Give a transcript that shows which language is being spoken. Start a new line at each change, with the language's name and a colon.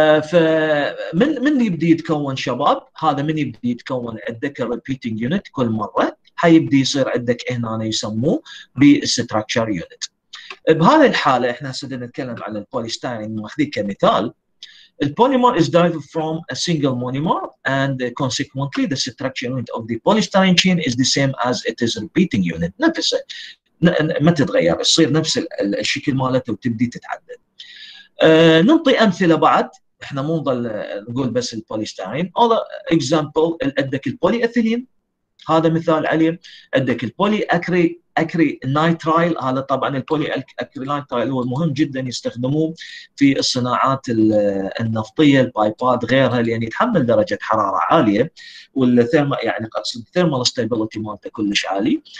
Arabic: فمن يبدي يتكون شباب، هذا من يبدي يتكون عندك الريبيتنج يونت كل مره حيبدي يصير عندك هنا يسموه بالستراكشر يونت. بهذه الحالة إحنا سدنا نتكلم على البوليستيرين ماخذين كمثال.
English: البوليمر is derived from a single monomer and consequently the structure unit of the polystyrene chain is the same as it is repeating unit.
Arabic: نفسه ما تتغير، يصير نفس الشكل مالته وتبدي تتعدد. نعطي أمثلة بعد، إحنا مو نضل نقول بس البوليستيرين.
English: Other example
Arabic: عندك البوليأثيلين، هذا مثال عليه. عندك البوليأكري أكري نايترايل، هذا طبعاً البولي أكري نايترايل هو مهم جداً يستخدموه في الصناعات النفطية البايباد غيرها، لأن يعني يتحمل درجة حرارة عالية والثيرما يعني قصد ثيرمال استيبيليتي مالته كلش عالي.